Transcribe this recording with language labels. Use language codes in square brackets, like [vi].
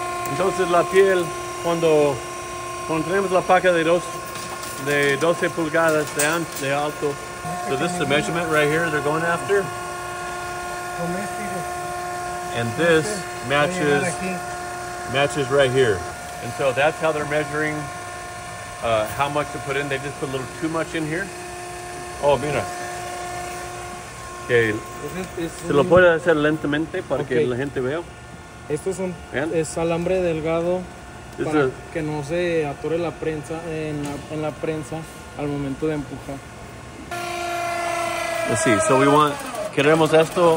[es] Entonces la piel, cuando tenemos la paca de 12 pulgadas de alto. [en] So this is the measurement right here they're going after. And this matches right here. And so that's how they're measuring how much to put in. They just put a little too much in here. Oh, mira. Okay. [es] Se lo puede hacer lentamente para que la gente vea. Esto es es alambre delgado para que no se atore la prensa en la prensa al momento de empujar. [en] Let's see, so we want, [es] queremos esto.